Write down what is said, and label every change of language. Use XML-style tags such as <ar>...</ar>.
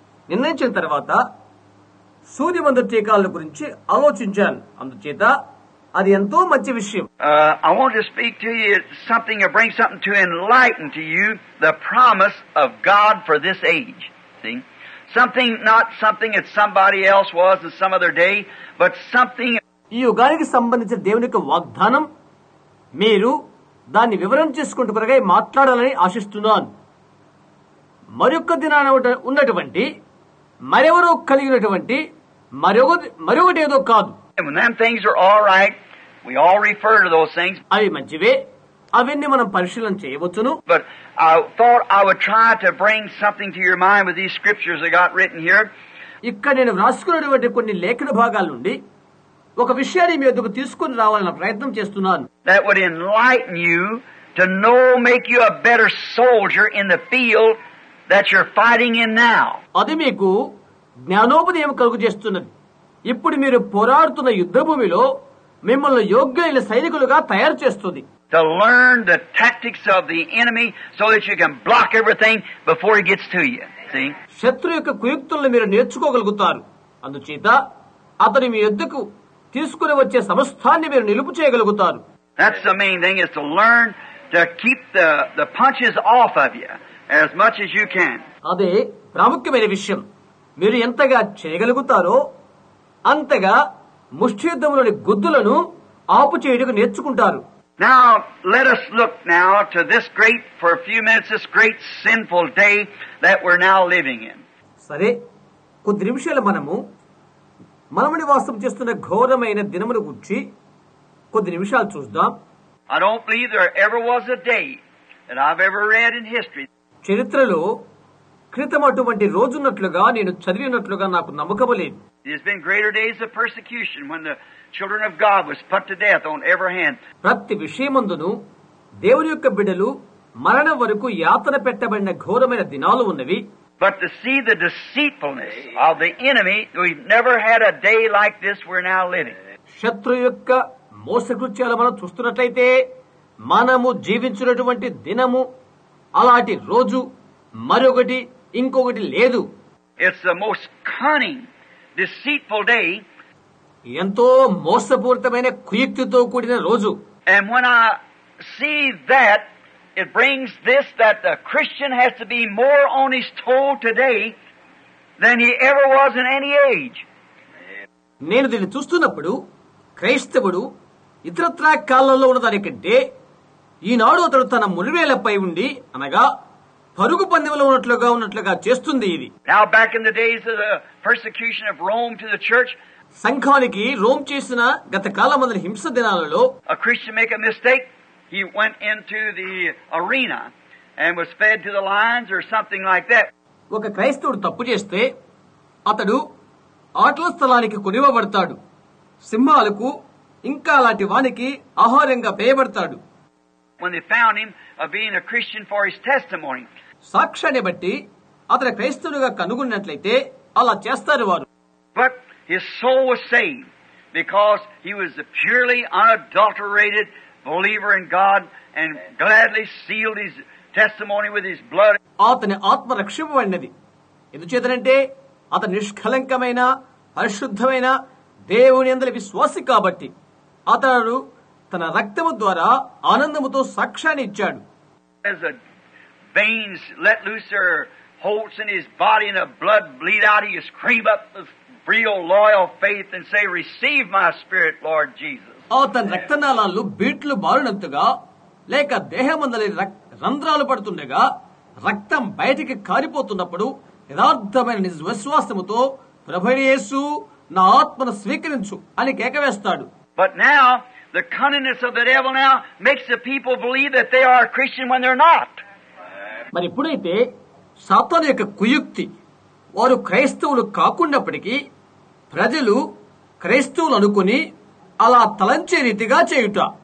<te>నిర్ణయించిన తర్వాత సూది మందు టీకాల గురించి ఆలోచించాను. అందుచేత అది ఎంతో మంచి విషయం.</te> <en>I want to speak to you something to bring something to enlighten to you the promise of God for this age. See? Something not something that somebody else was in some other day, but something</en> <te>ఈ యుగానికి సంబంధించిన దేవుని యొక్క వాగ్దానం మీరు దాన్ని వివరణ చేసుకుంటూ కొరకై మాట్లాడాలని ఆశిస్తున్నాను. మరొక దినాన ఉన్నటువంటి మరెవరో కలిగినటువంటి మరొకటి ఏదో కాదు.</te> <en>When them things are all right, we all refer to those things.</en> <te>అవి మంచివే, అవన్నీ మనం పరిశీలన చేయవచ్చును.</te> <en>But I thought I would try to bring something to your mind with these scriptures I got written here.</en> <te>ఇక్కడ నేను రాసుకున్నటువంటి కొన్ని లేఖన భాగాల నుండి ఒక విషయాన్ని మీ వద్దకు తీసుకుని రావాలని ప్రయత్నం చేస్తున్నాను.</te> <en>That would enlighten you to know, make you a better soldier in the field that you're fighting in now.</en> <te>అది మీకు జ్ఞానోపదేయం కలుగు చేస్తున్నది. ఇప్పుడు మీరు పోరాడుతున్న యుద్ధ భూమిలో మిమ్మల్ని యోగ్యైన సైనికులుగా తయారు చేస్తుంది.</te> <en>To learn the tactics of the enemy so that you can block everything before he gets to you. See?</en> <te>శత్రు యొక్క కుయుక్తులను మీరు నేర్చుకోగలుగుతారు. అందుచేత అతని మీ యుద్ధకు తీసుకుని వచ్చే సమస్తాన్ని మీరు నిలుపు చేయగలుగుతారు.</te> <en>That's the main thing, is to learn to keep the punches off of you as much as you can.</en> <te>అదే ప్రాముఖ్యమైన విషయం. మీరు ఎంతగా చేయగలుగుతారో అంతగా ముష్టియుద్ధంలోని గుద్దులను ఆపు చేయడానికి నేర్చుకుంటారు.</te> <en>Now let us look now to this great, for a few minutes, this great sinful day that we're now living in.</en> <te>సరే, కొద్ది నిమిషాల మనము మనము నివాసం చేస్తున్న ఘోరమైన దినముల గురించి కొద్ది నిమిషాలు చూద్దాం.</te> <en>I don't believe there ever was a day that I've ever read in history.</en> <te>చరిత్రలో క్రితం అటువంటి రోజున్నట్లుగా నేను చదివినట్లుగా నాకు నమ్మకం లేదు.</te> <en>There's been greater days of persecution when the children of God was put to death on every hand.</en> <te>ప్రతి విషయమందును దేవుని యొక్క బిడ్డలు మరణం వరకు యాతన పెట్టబడిన ఘోరమైన దినాలు ఉన్నవి.</te> <en>But to see the deceitfulness of the enemy, we've never had a day like this we're now living.</en> <te>శత్రు యొక్క మోసకృత్యాలు మనం చూస్తున్నట్లయితే మనము జీవించినటువంటి దినము అలాంటి రోజు మరొకటి ఇంకొకటి లేదు.</te> <en>It's the most cunning, deceitful day.</en> <te>ఎంతో మోసపూరితమైన కుయుక్తితో కూడిన రోజు.</te> <en>And when I see that, it brings this, that the Christian has to be more on his toe today than he ever was in any age.</en> <te>నేను దీన్ని చూస్తున్నప్పుడు క్రైస్తవుడు ఇతరత్రా కాలంలో ఉన్నదానికంటే ఈనాడు అతడు తన మునివేలపై ఉండి అనగా పరుగు పందెంలో ఉన్నట్లుగా చేస్తుంది ఇది.</te> <en>Now back in the days of the persecution of Rome to the church,</en> <te>సంఘానికి రోమ్ చేసిన గత కాలమందు హింస దినాలలో</te> <en>a Christian make a mistake, he went into the arena and was fed to the lions or something like that.</en> <te>ఒక క్రైస్తవుడు తప్పు చేస్తే అతడు ఆటల స్థలానికి కొనివ్వబడతాడు, సింహాలకు ఇంకా అలాంటి వానికి ఆహారంగా పేయబడతాడు.</te> <en>When they found him of being a Christian for his testimony.</en> <te>సాక్ష్యాన్ని బట్టి అతను క్రైస్తవుడిగా కనుగొన్నట్లయితే అలా చేస్తారు వారు.</te> <en>But his soul was saved because he was a purely unadulterated believer in God and gladly sealed his testimony with his blood.</en> <te>అతని ఆత్మ రక్షింపబడినది ఎందుచేతనంటే అతను నిష్కలంకమైన పరిశుద్ధమైన దేవుని యందలి విశ్వాసి కాబట్టి. అతడు తన రక్తము ద్వారా ఆనందముతో సాక్ష్యాన్ని ఇచ్చాడు.</te> <en>As the veins let loose their holes in his body and the blood bleed out, he screamed up with real loyal faith and say, receive my spirit, Lord Jesus.</en> <te>అతని రక్తనాళాలు బీట్లు బారినంతగా లేక దేహమందలి రంధ్రాలు పడుతుండగా రక్తం బయటికి కారిపోతున్నప్పుడు యథార్థమైన నిజ విశ్వాసముతో ప్రభువే యేసు నా ఆత్మను స్వీకరించు అని కేకవేస్తాడు.</te> <en>But now the cunningness of the devil now makes the people believe that they are a Christian when they're not.</en> <te>మరి ఇప్పుడైతే సాతాను యొక్క కుయుక్తి వారు క్రైస్తవులు కాకుండాపటికి ప్రజలు క్రైస్తవులు అనుకుని అలా తలంచే రీతిగా చేయుట.</te>